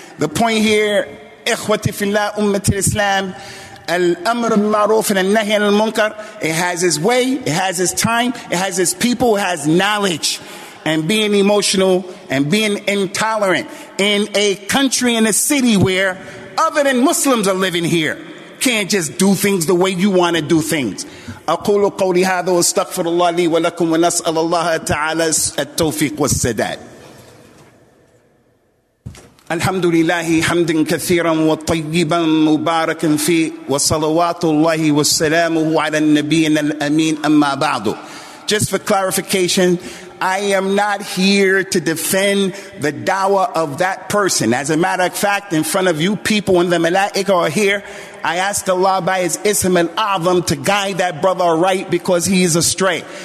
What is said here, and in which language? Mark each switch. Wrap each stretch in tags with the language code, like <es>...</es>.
<en>The point here,</en> <ar>ikhwati fillah, ummati al-islam,</ar> <en>al-amr al-ma'ruf and al-nahy al-munkar, it has its way, it has its time, it has its people, it has knowledge. And being emotional and being intolerant in a country, in a city where other than Muslims are living here, can't just do things the way you want to do things.</en> <ar>أقول قولي هذا واستغفر الله لي ولكم ونسأل الله تعالى التوفيق والسداد. الحمد لله حمدا كثيرا وطيبا مباركا فيه وصلوات الله وسلامه على النبي الأمين. أما بعد,</ar> <en>just for clarification, I am not here to defend the dawah of that person. As a matter of fact, in front of you people and the malaika are here, I asked Allah by his ism al-azam to guide that brother right, because he is astray.</en>